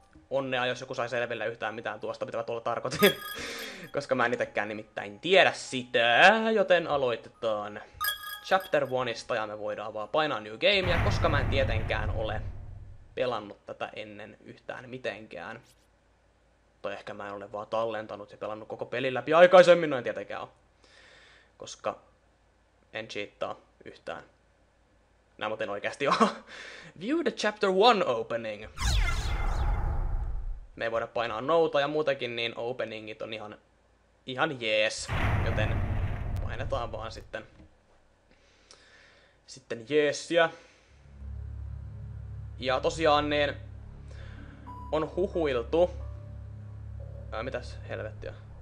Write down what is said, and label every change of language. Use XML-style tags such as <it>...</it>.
<fi>Onnea, jos joku sai selville yhtään mitään tuosta, mitä mä tuolla tarkoitin. Koska mä en itekään nimittäin tiedä sitä, joten aloitetaan Chapter 1:sta ja me voidaan vaan painaa New Gamea, koska mä en tietenkään ole pelannut tätä ennen yhtään mitenkään. Tai ehkä mä en ole vaan tallentanut ja pelannut koko pelin läpi aikaisemmin, noin tietenkään on. Koska en cheattaa yhtään. Nää muuten oikeesti on.</fi> <en>View the chapter 1 opening.</en> <fi>Me ei voida painaa nouta ja muutenkin, niin openingit on ihan jees. Joten painetaan vaan sitten jeesiä. Ja tosiaan niin on huhuiltu. Mitäs helvettiä?</fi>